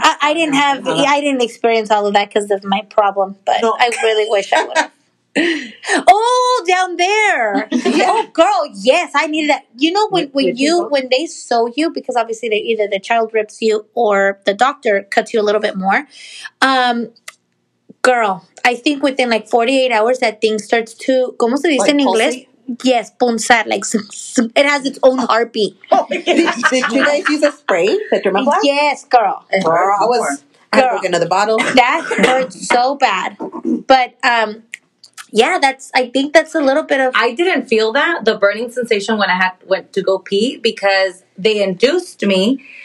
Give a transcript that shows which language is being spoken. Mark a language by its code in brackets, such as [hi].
[en] I didn't experience all of that because of my problem, but no. I really wish I would have. Oh, down there. Yeah. Oh, girl, yes, I needed that. You know, when they sew you, because obviously they either the child rips you or the doctor cuts you a little bit more. Girl, I think within like 48 hours that thing starts to, [es] ¿cómo se dice en inglés? [en] Yes, punzar, like it has its own heartbeat. Did you guys use a spray? Yes, girl. I broke another bottle. That hurts so bad. But I think that's a little bit of. I didn't feel that, the burning sensation when I went to go pee, because they induced me.